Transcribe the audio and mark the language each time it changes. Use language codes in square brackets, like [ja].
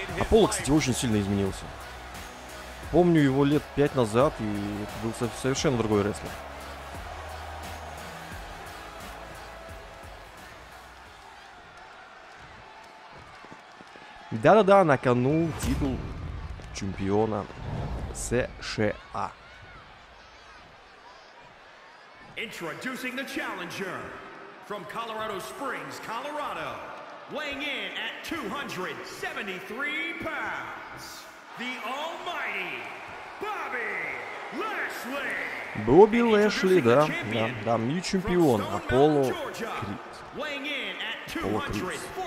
[ru] Аполло, кстати, очень сильно изменился. Помню его лет 5 назад, и это был совершенно другой рестлер. Да-да-да, на кону титул чемпиона США. [en] Introducing the challenger from Colorado Springs, Colorado, weighing in at 273 pounds. The almighty Bobby Lashley. [ru] Бобби Лэшли, да, да, да, не чемпион, Аполло Крид. Аполло Крид.